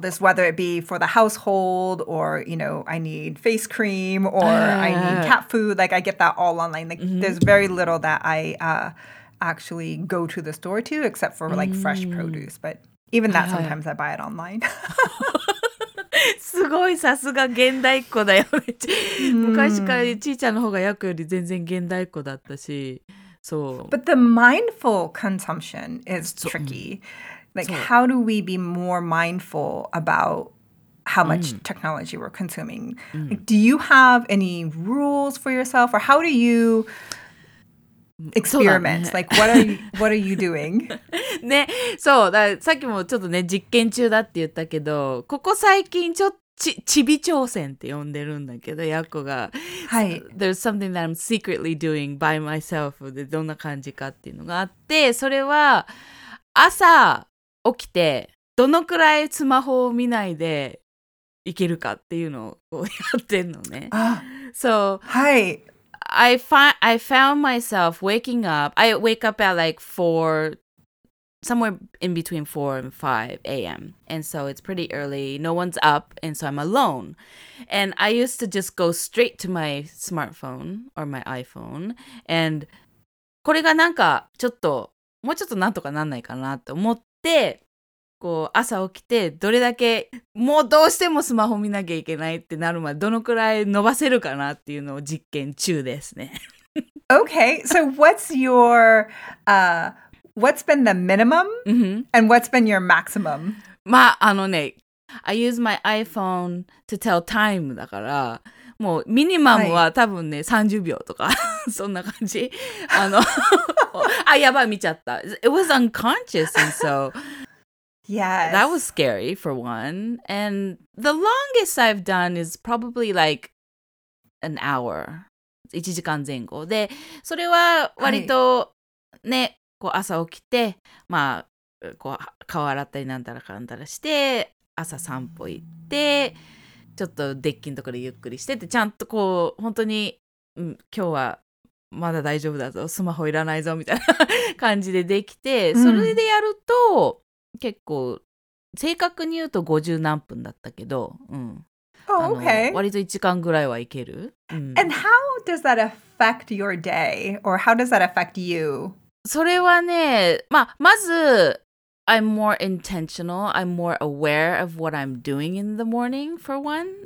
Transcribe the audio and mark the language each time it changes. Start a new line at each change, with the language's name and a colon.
English: This, whether it be for the household or, you know, I need face cream or I need cat food. Like I get that all online. Like there's very little that I actually go to the store to except for like fresh produce. But even that sometimes I buy it online.
Japanese: すごいさすが現代っ子だよね。昔からちいちゃんの方がヤクより全然現代っ子だったし、そう。
English: But the mindful consumption is tricky. Like, how do we be more mindful about how much technology we're consuming? Like, do you have any rules for yourself, or how do you experiment? Like, what are you doing?
Japanese: ね、そうだ。さっきもちょっとね実験中だって言ったけど、ここ最近ちょっとちび挑戦って呼んでるんだけど、ヤコが、はい、
English: There's something that I'm secretly doing by myself
Japanese: でどんな感じかっていうのがあって、それは朝起きてどのくらいスマホを見ないでいけるかっていうのをやってんのね。あ、
English: So,
Japanese: はい。
English: I found myself waking up. I wake up at like 4, somewhere in between 4 and 5 a.m. And so it's pretty early. No one's up. And so I'm alone. And I used to just go straight to my smartphone or my iPhone.
Japanese: And これがなんかちょっともうちょっとなんとかなんないかなと思って、こう朝起きてどれだけもうどうしてもスマホ見なきゃいけないってなるまでどのくらい伸ばせるかなっていうのを実験中ですね。
English: Okay, so what's your, what's been the minimum and what's been your maximum?
Japanese: まあ、あのね、
English: I use my iPhone to tell time
Japanese: だから、もうミニマムは多分ね、30秒とか、そんな感じ。あの、あ、やばい、見ちゃった。
English: It was unconscious and so... Yes. That was scary for one. And the longest I've done is probably like an hour.
Japanese: 1時間前後。で、それは割とね、こう朝起きて、まあ、こう顔洗ったりなんたらかんたらして、朝散歩行って、ちょっとデッキのところでゆっくりしてて、ちゃんとこう、本当に、うん、今日はまだ大丈夫だぞ、スマホいらないぞ、みたいな感じでできて、それでやると、結構正確に言うと50何分だったけど、うん、
English: oh, okay.
Japanese: 割と1時間ぐらいはいける、
English: うん、And how does that affect your day? Or how does that affect you?
Japanese: それはね、まあ、まず
English: I'm more intentional. I'm more aware of what I'm doing in the morning for one.